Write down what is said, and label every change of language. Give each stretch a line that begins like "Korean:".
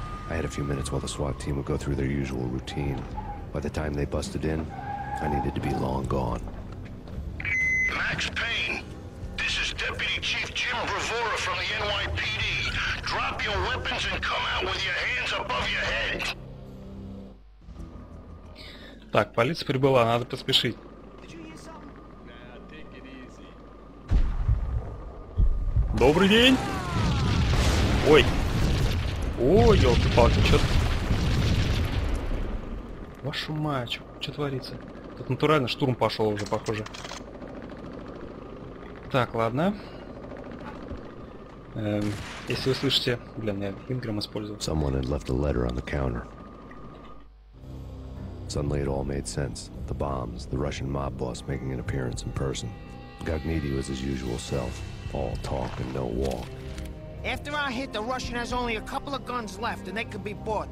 English: I had a few minutes while the SWAT team would go through their usual routine. By the time they busted in, I needed to be long gone. Max Payne, this is Deputy Chief Jim Bravura from the NYPD. Drop your weapons and come out with your hands above your head.
Russian: Так, полиция прибыла, надо поспешить. Добрый день! Ой! О, ёлки-палки, чё-то... Вашу мать, чё творится? Тут натурально штурм пошел уже, похоже. Так, ладно. Если вы слышите... Блин, я Ингрэм использовал.
English: Someone had left a letter on the counter. Suddenly it all made sense. The bombs, the Russian mob boss making an appearance in person. Gogniti was his usual self. All talk and no walk. After our hit, the Russian has only a couple of guns left, and they could be bought.